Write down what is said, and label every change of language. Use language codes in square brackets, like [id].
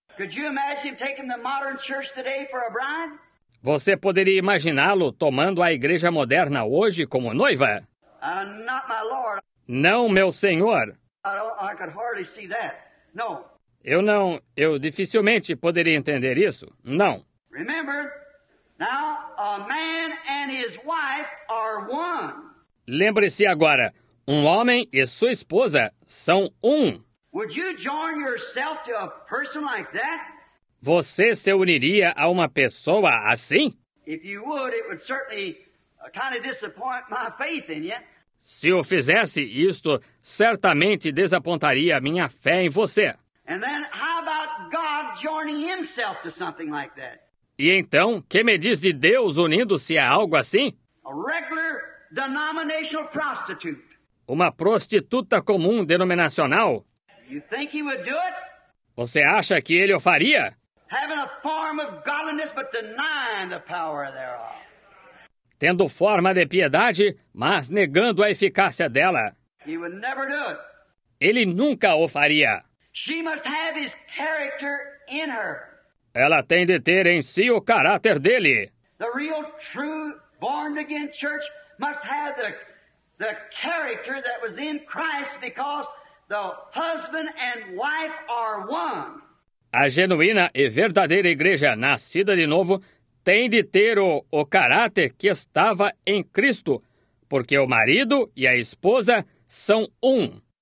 [en] Could you imagine taking the modern church today for a bride? [pt] Você poderia imaginá-lo tomando a igreja moderna hoje como noiva? [en] Not my Lord. [pt] Não, meu Senhor. [en] I could hardly see that. No. [pt] Eu dificilmente poderia entender isso. Não. [en] Remember, now a man and his wife are one. [pt] Lembre-se agora, um homem e sua esposa são um. [en] Would you join yourself to a person like that? [pt] Você se uniria a uma pessoa assim? [en] If you would, it would certainly kind of disappoint my faith in you. [pt] Se o fizesse, isto certamente desapontaria minha fé em você. [en] And then how about God joining himself to something like that? [pt] E então, que me diz de Deus unindo-se a algo assim? [en] A regular denominational prostitute. [pt] Uma prostituta comum denominacional. [en] You think he would do it? [pt] Você acha que ele o faria? [en] Having a form of godliness but denying the power thereof. [pt] Tendo forma de piedade, mas negando a eficácia dela. [en] He would never do it. [pt] Ele nunca o faria. [en] She must have his character in her. [pt] Ela tem de ter em si o caráter dele. [en] The real true born again church must have the character that was in Christ because the husband and wife are one. [pt] A genuína e verdadeira igreja nascida de novo tem de ter o caráter que estava em Cristo, porque o marido e a esposa são um.